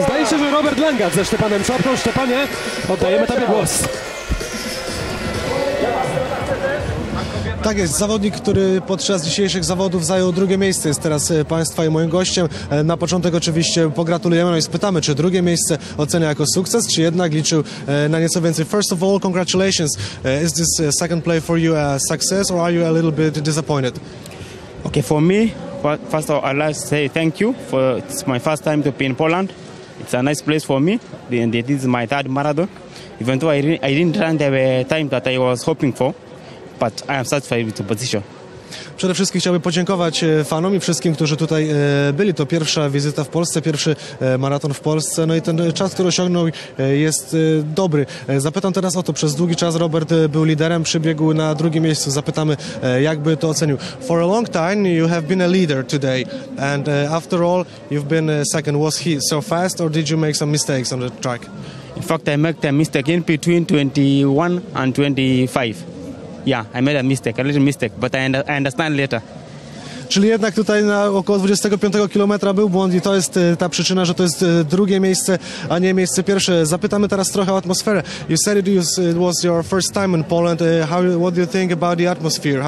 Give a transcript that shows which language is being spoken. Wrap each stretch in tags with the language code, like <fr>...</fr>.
<pl>Zdaje się, że Robert Langat ze Szczepanem Szłapką. Szczepanie, oddajemy Tobie głos. Tak jest, zawodnik, który podczas dzisiejszych zawodów zajął drugie miejsce, jest teraz Państwa i moim gościem. Na początek oczywiście pogratulujemy i spytamy, czy drugie miejsce ocenia jako sukces, czy jednak liczył na nieco więcej.</pl> <en>First of all, congratulations. Is this second play for you a success or are you a little bit disappointed? Okay, for me, first of all, I'd like to say thank you. It's my first time to be in Poland. It's a nice place for me and this is my third marathon. Even though I didn't run the time that I was hoping for. But I am satisfied with the position.</en> <pl>Przede wszystkim chciałbym podziękować fanom i wszystkim, którzy tutaj byli. To pierwsza wizyta w Polsce, pierwszy maraton w Polsce. No i ten czas, który osiągnął, jest dobry. Zapytam teraz o to. Przez długi czas Robert był liderem, przybiegł na drugim miejscu. Zapytamy, jakby to ocenił.</pl> <en>For a long time you have been a leader today. And after all, you've been second. Was he so fast or did you make some mistakes on the track? In fact, I made a mistake in between 21 and 25. Yeah, I made a little mistake, but I understand later.</en> <pl>Czyli jednak tutaj na około 25 kilometra był błąd i to jest ta przyczyna, że to jest drugie miejsce, a nie miejsce pierwsze. Zapytamy teraz trochę o atmosferę.</pl> <en>You said it was your first time in Poland. What do you think about the atmosphere?</en>